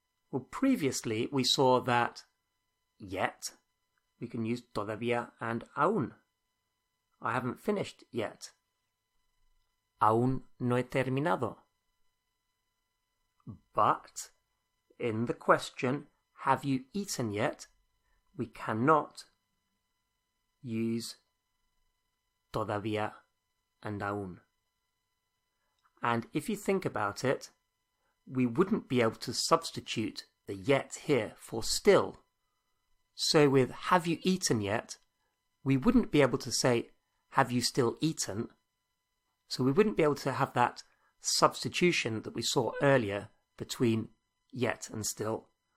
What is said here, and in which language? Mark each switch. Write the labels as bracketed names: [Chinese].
[English] Well, previously we saw that yet, we can use todavía and aún. I haven't finished yet. [Spanish] Aún no he terminado. [English] But in the question, have you eaten yet? We cannot use todavía and aún. And if you think about it, we wouldn't be able to substitute the yet here for still. So with have you eaten yet, we wouldn't be able to say have you still eaten. So we wouldn't be able to have that substitution that we saw earlier between yet and still.